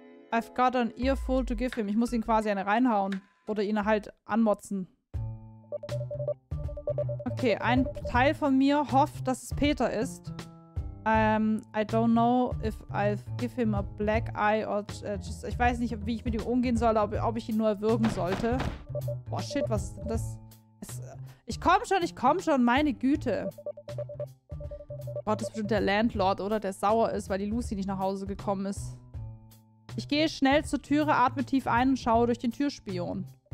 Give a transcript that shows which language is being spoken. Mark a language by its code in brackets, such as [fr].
[en] I've got an earful to give him. [de] Ich muss ihn quasi eine reinhauen. Oder ihn halt anmotzen. Okay, ein Teil von mir hofft, dass es Peter ist. [en] I don't know if I give him a black eye or just... [de] Ich weiß nicht, wie ich mit ihm umgehen soll, ob ich ihn nur erwürgen sollte. Boah, shit, was ist denn das? Ich komm schon, meine Güte. Gott, das ist bestimmt der Landlord, oder? Der sauer ist, weil die Lucy nicht nach Hause gekommen ist. Ich gehe schnell zur Türe, atme tief ein und schaue durch den Türspion.